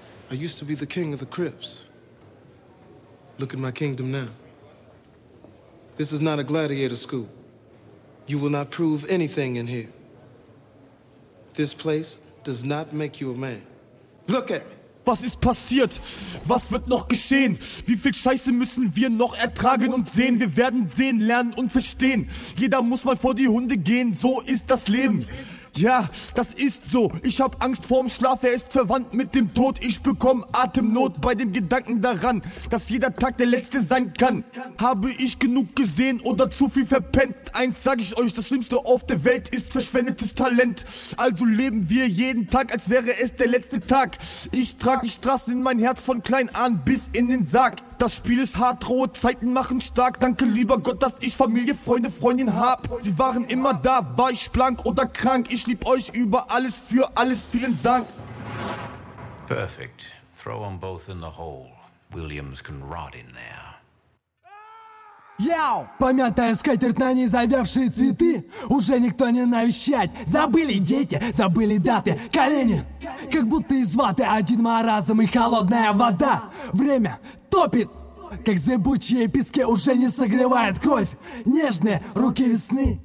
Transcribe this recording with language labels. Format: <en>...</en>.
<en>I used to be the king of the Crips. Look at my kingdom now. This is not a gladiator school. You will not prove anything in here. This place does not make you a man. Look at me.</en> <de>Was ist passiert? Was wird noch geschehen? Wie viel Scheiße müssen wir noch ertragen und sehen? Wir werden sehen, lernen und verstehen. Jeder muss mal vor die Hunde gehen, so ist das Leben. Ja, das ist so. Ich hab Angst vorm Schlaf, er ist verwandt mit dem Tod. Ich bekomm Atemnot bei dem Gedanken daran, dass jeder Tag der letzte sein kann. Habe ich genug gesehen oder zu viel verpennt? Eins sag ich euch, das Schlimmste auf der Welt ist verschwendetes Talent. Also leben wir jeden Tag, als wäre es der letzte Tag. Ich trag die Straßen in mein Herz von klein an bis in den Sarg. Das Spiel ist hart, rohe Zeiten machen stark. Danke lieber Gott, dass ich Familie, Freunde, Freundin hab. Sie waren immer da, war ich blank oder krank. Ich lieb euch über alles, für alles, vielen Dank.</de> <en>Perfect. Throw them both in the hole. Williams can rot in there. Йоу!</en> <ru>Помятая скатерть на ней завявшие цветы. Уже никто не навещает. Забыли дети, забыли даты. Колени, как будто из ваты. Один маразм и холодная вода. Время топит, как зыбучие пески. Уже не согревает кровь. Нежные руки весны.</ru>